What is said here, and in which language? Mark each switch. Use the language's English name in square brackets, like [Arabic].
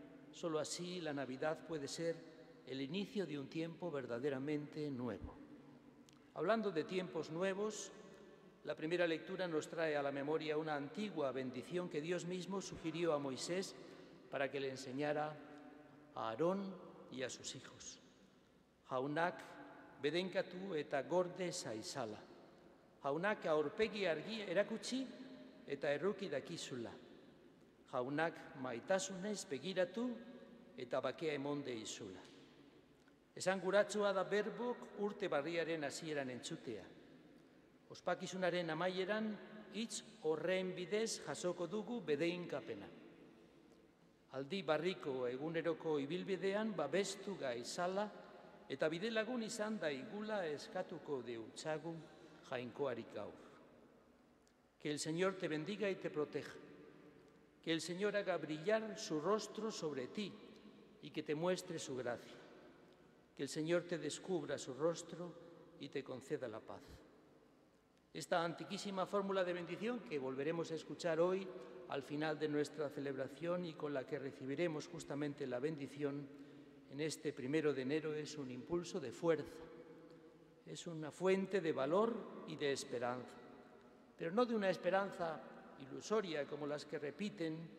[Spanish] Solo así, la Navidad puede ser el inicio de un tiempo verdaderamente nuevo. Hablando de tiempos nuevos, la primera lectura nos trae a la memoria una antigua bendición que Dios mismo sugirió a Moisés para que le enseñara a Aarón y a sus hijos. [Basque] Jaunak bedenkatu eta gorde zaizala. Jaunak aurpegi argi erakutsi eta erruki dakizula. Jaunak maitasunez begiratu eta bakea emonde izula. Esanguratsua da berbok urte barriaren hasieran entzutea. Ospakizunaren amaieran, hitz horren bidez jasoko dugu bedeinkapena. Aldi barriko eguneroko ibilbidean babestu gaizala eta bidelagun izan daigula eskatuko deutxagu jainkoari gaur. [Spanish] Que el Señor te bendiga y te proteja. Que el Señor haga brillar su rostro sobre ti y que te muestre su gracia. Que el Señor te descubra su rostro y te conceda la paz. Esta antiquísima fórmula de bendición que volveremos a escuchar hoy al final de nuestra celebración y con la que recibiremos justamente la bendición en este primero de enero es un impulso de fuerza, es una fuente de valor y de esperanza, pero no de una esperanza ilusoria como las que repiten